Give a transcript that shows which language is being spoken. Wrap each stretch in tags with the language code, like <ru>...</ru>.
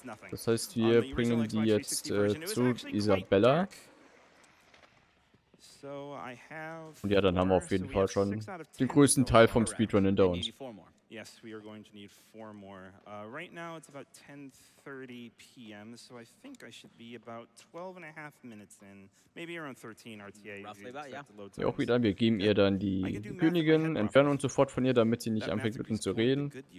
<de>Das heißt, wir bringen die jetzt zu Isabella. Und ja, dann haben wir auf jeden Fall schon den größten Teil vom Speedrun hinter uns.</de> <en>Yes, we are going to need 4 more. Right now it's about 10:30 p.m., so I think I should be about 12 and a half minutes in. Maybe around 13 RTA. Roughly about, yeah.</en> <de>Wir geben ihr dann die Königin, entfernen uns sofort von ihr, damit sie nicht anfängt mit uns zu reden.</de>